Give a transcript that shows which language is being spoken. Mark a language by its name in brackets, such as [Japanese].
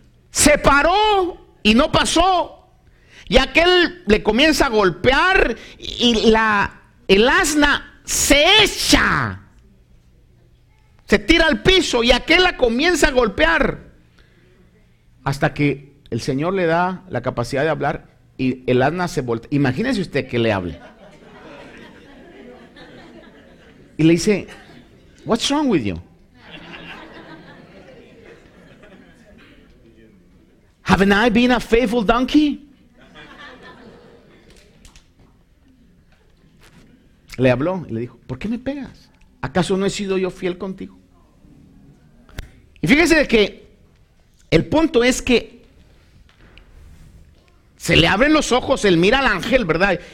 [Spanish] Se paró y no pasó. Y aquel le comienza a golpear y el asna se echa. Se tira al piso y aquel la comienza a golpear. Hasta que el Señor le da la capacidad de hablar y el asna se voltea. Imagínese usted que le hable. Y le dice, [English] what's wrong with you? Haven't I been a faithful donkey? [Spanish] Le habló y le dijo, ¿por qué me pegas? ¿Acaso no he sido yo fiel contigo? Y fíjese de que el punto es que se le abren los ojos, él mira al ángel, ¿verdad?